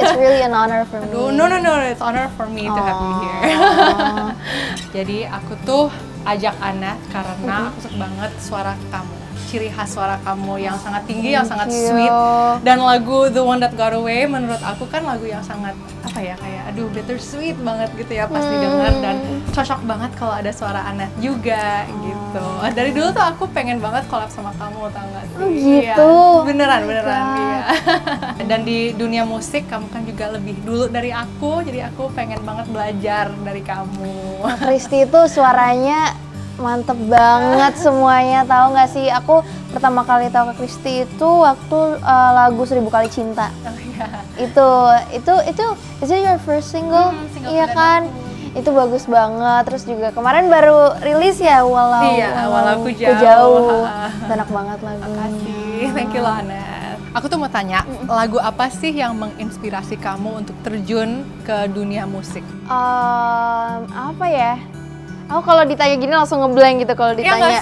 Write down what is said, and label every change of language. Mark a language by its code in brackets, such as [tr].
[en] It's really an honor for me. No, it's honor for me to have you here. [id] Jadi, aku tuh ajak Aneth karena aku suka banget suara kamu. Ciri khas suara kamu yang sangat tinggi, [en] thank [id] yang sangat [en] you. Sweet. [id] Dan lagu The One That Got Away menurut aku kan lagu yang sangat, apa ya, kayak aduh bittersweet banget gitu ya pas didengar. Dan cocok banget kalau ada suara Aneth juga gitu. Dari dulu tuh aku pengen banget collab sama kamu, tau gak sih? Oh gitu? Ya, beneran, iya. Dan di dunia musik kamu kan juga lebih dulu dari aku, jadi aku pengen banget belajar dari kamu. Nah, Christy tuh suaranya mantep banget semuanya, tahu nggak sih? Aku pertama kali tahu ke Christy itu waktu lagu Seribu Kali Cinta. [en] Oh, yeah. Itu is it your first single? [id] Iya kan? Itu bagus banget. Terus juga kemarin baru rilis ya, walau aku jauh. Enak banget lagunya. Makasih, [en] thank you [id] Lanet. Aku tuh mau tanya, lagu apa sih yang menginspirasi kamu untuk terjun ke dunia musik? Apa ya? Aku kalau ditanya gini langsung ngeblank gitu kalau ditanya